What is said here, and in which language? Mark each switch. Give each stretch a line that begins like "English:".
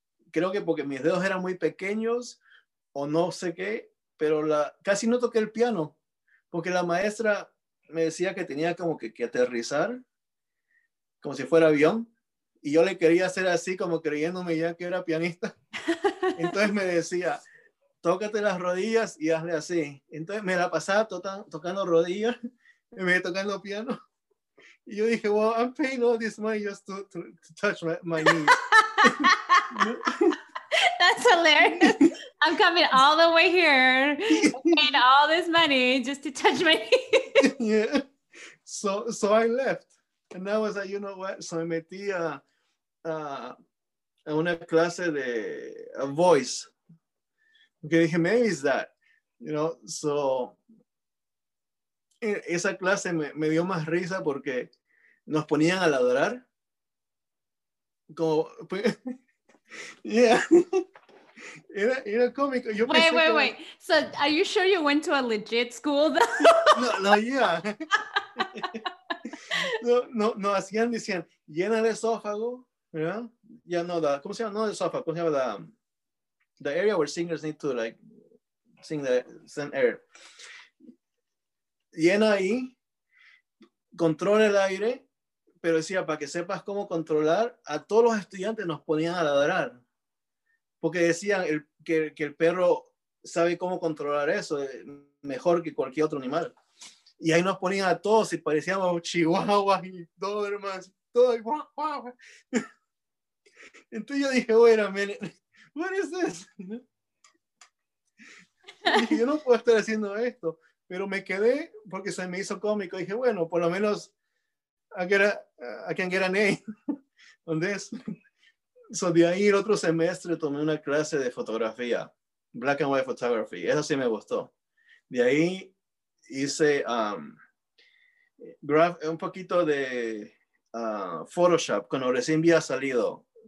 Spanish: Creo que porque mis dedos eran muy pequeños o no sé qué, pero casi no toqué el piano porque la maestra me decía que tenía como que aterrizar como si fuera avión. Y yo le quería hacer así como creyéndome ya que era pianista. Entonces me decía, tócate las rodillas y hazle así. Entonces me la pasaba tocando rodillas y me tocando piano. Y yo dije,
English: well, I'm paying all this money just to touch my knee. That's hilarious. I'm coming all the way here. I'm paying all this money just to touch my knee. Yeah. So I left. And I was like, you know what? So I
Spanish: metí a una clase de
English: a voice.
Spanish: Okay, dije,
English: maybe it's that. You know, so
Spanish: esa clase me dio más risa porque nos ponían a ladrar. Como, pues,
English: yeah.
Spanish: Era cómico. Yo
English: wait,
Spanish: pensé
English: wait,
Spanish: como,
English: wait. So, are you sure you went to a legit school, though? No, yeah.
Spanish: No, hacían, decían, llena el esófago, ¿verdad? Ya no, ¿cómo se llama? No el esófago, ¿cómo se llama?
English: The area where singers need to, like, sing the send air.
Spanish: Llena ahí, controla el aire, pero decía, para que sepas cómo controlar, a todos los estudiantes nos ponían a ladrar. Porque decían que el perro sabe cómo controlar eso mejor que cualquier otro animal. Y ahí nos ponían a todos y parecíamos chihuahuas y dobermans. Todo igual. Wow. Entonces yo dije,
English: wait a minute, what is this?
Spanish: Dije, yo no puedo estar haciendo esto. Pero me quedé porque se me hizo cómico. Dije, bueno, por lo menos
English: I can get an A on this.
Spanish: So de ahí el otro semestre tomé una clase de fotografía.
English: Black and white photography.
Spanish: Eso sí me gustó. De ahí hice un poquito de Photoshop, cuando recién había salido.